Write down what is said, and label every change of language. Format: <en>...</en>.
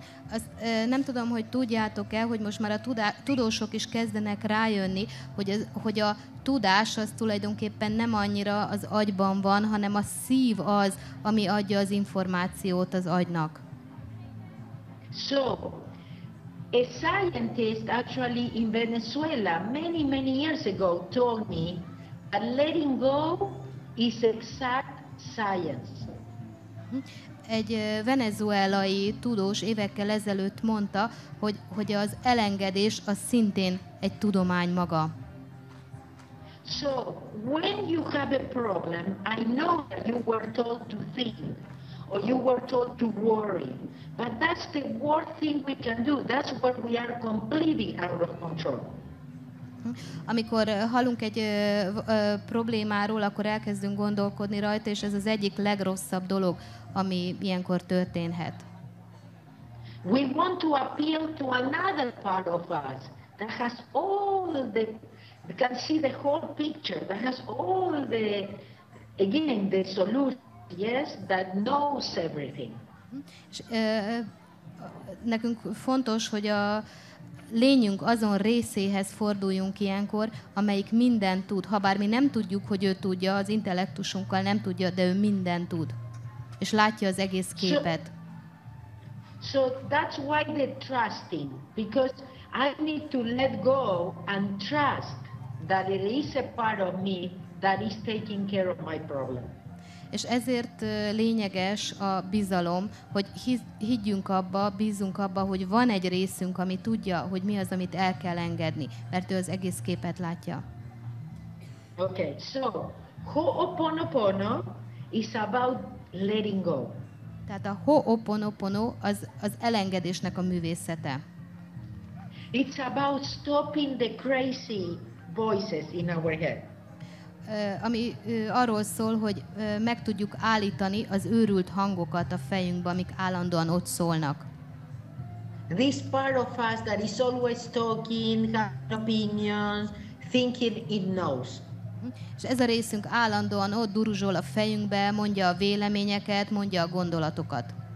<hu>Azt nem tudom, hogy tudjátok-e, hogy most már a tudósok is kezdenek rájönni, hogy a tudás az tulajdonképpen nem annyira az agyban van, hanem a szív az, ami adja az információt az agynak.</hu> <en>So, a scientist actually in Venezuela many, many years ago told me that letting go is exact science.</en> <hu>Egy venezuelai tudós évekkel ezelőtt mondta, hogy az elengedés az szintén egy tudomány maga.</hu> <en>So, when you have a problem, I know that you were told to think, or you were told to worry, but that's the worst thing we can do. That's what we are completely out of control.</en> <hu>Amikor hallunk egy problémáról, akkor elkezdünk gondolkodni rajta, és ez az egyik legrosszabb dolog, ami ilyenkor történhet.</hu> <en>We want to appeal to another part of us that has all the, can see the whole picture, that has all the, again, the solution, yes, that knows everything.</en> <hu>És nekünk fontos, hogy a lényünk azon részéhez forduljunk ilyenkor, amelyik mindent tud, habár mi nem tudjuk, hogy ő tudja, az intellektusunkkal nem tudja, de ő mindent tud, és látja az egész képet.</hu> <en>So that's why the trusting, because I need to let go and trust that it is a part of me that is taking care of my problem.</en> <hu>És ezért lényeges a bizalom, hogy higgyünk abba, bízunk abba, hogy van egy részünk, ami tudja, hogy mi az, amit el kell engedni, mert ő az egész képet látja.</hu> <en>Okay, so Ho'oponopono is about letting go.</en> <hu>Tehát a Ho'oponopono az elengedésnek a művészete.</hu> <en>It's about stopping the crazy voices in our head.</en> <hu>Ami arról szól, hogy meg tudjuk állítani az őrült hangokat a fejünkbe, amik állandóan ott szólnak.</hu> <en>This part of us that is always talking, having opinions, thinking it knows.</en> <hu>És ez a részünk állandóan ott duruzsol a fejünkbe, mondja a véleményeket, mondja a gondolatokat.</hu>